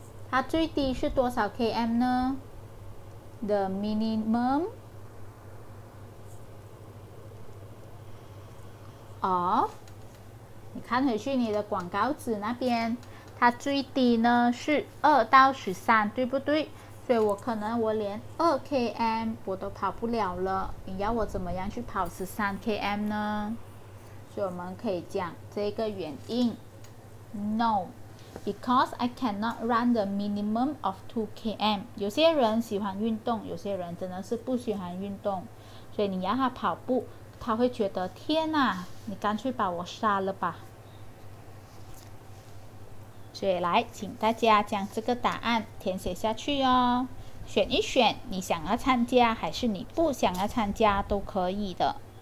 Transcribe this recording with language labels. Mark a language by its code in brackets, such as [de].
[zh] 它最低是多少 km 呢？ [en] The minimumOf， [zh] 你看回去你的广告纸那边，它最低呢是2到13，对不对？所以我可能我连 2km 我都跑不了了，你要我怎么样去跑 13km 呢？所以我们可以讲这个原因 No。 [en] Because I cannot run the minimum of 2 km. [zh] 有些人喜欢运动，有些人真的是不喜欢运动，所以你让他跑步，他会觉得天哪，你干脆把我杀了吧。所以来，请大家将这个答案填写下去哦，选一选你想要参加还是你不想要参加都可以的。